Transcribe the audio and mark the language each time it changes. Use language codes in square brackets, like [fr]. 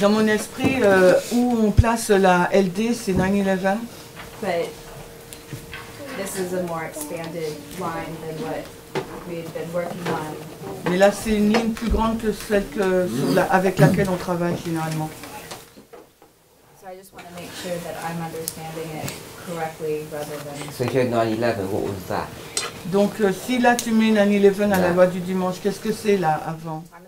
[fr] Dans mon esprit, où on place la LD, c'est 9/11. [en] But this is a more expanded line than what we've been working on. [fr] Mais là, c'est une ligne plus grande que celle que avec laquelle on travaille généralement. [en] So I just want to make sure that I'm understanding it correctly rather than. So if you had 9/11, what was that? [fr] Donc si là tu mets 9/11 à la loi du dimanche, qu'est-ce que c'est là avant?